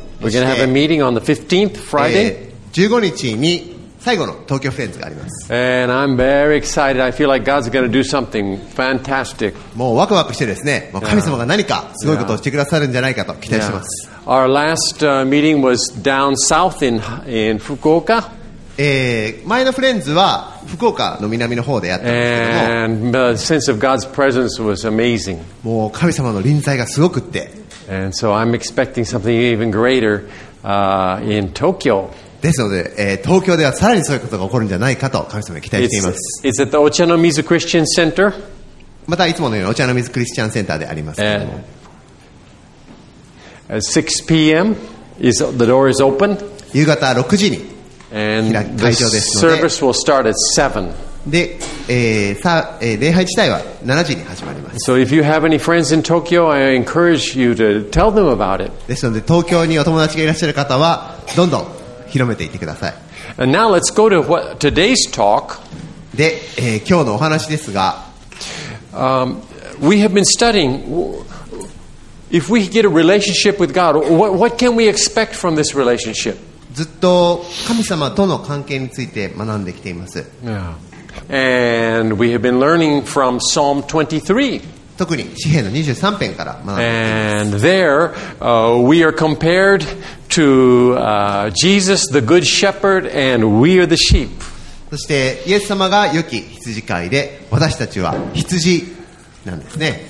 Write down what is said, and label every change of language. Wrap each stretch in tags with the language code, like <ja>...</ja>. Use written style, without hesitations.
<en>We're going to have a meeting on the 15th Friday.</en> <ja>15日に最後の東京フレンズがあります。</ja> <en>And I'm very excited. I feel like God's going to do something fantastic.</en> <ja>もうワクワクしてですね。もう神様が何かすごいことをしてくださるんじゃないかと期待してます。</ja> <en>Our last meeting was down south in Fukuoka.</en> <ja>前のフレンズは福岡の南の方でやったんですけども。</ja> <en>And the sense of God's presence was amazing.</en> <ja>もう神様の臨在がすごくって。</ja> <en>And so I'm expecting something even greater in Tokyo.</en> <ja>ですので、東京ではさらにそういうことが起こるんじゃないかと神様に期待しています。</ja> <en>It's at the Ochanomizu Christian Center.</en> <ja>またいつものようにお茶の水クリスチャンセンターでありますけれども。</ja> <en>6 p.m. is the door is open.</en> <ja>夕方6時に開場ですので。</ja> <en>Service will start at 7.</en> <ja>で、礼拝自体は7時に始まります。</ja> <en>So if you have any friends in Tokyo, I encourage you to tell them about it.</en> <ja>ですので東京にお友達がいらっしゃる方はどんどん。広めていってください。</ja> <en>And now let's go to what today's talk.</en> <ja>で、今日のお話ですが、</ja> <en>we have been studying. If we get a relationship with God, what can we expect from this relationship?</en> <ja>ずっと神様との関係について学んできています。</ja> <en>Yeah. And we have been learning from Psalm 23.</en> <ja>特に詩篇の23篇から学んできています。</ja> <en>And there, we are compared. To Jesus, the Good Shepherd, and we are the sheep.</en> <ja>そしてイエス様が良き羊飼いで私たちは羊なんですね。</ja>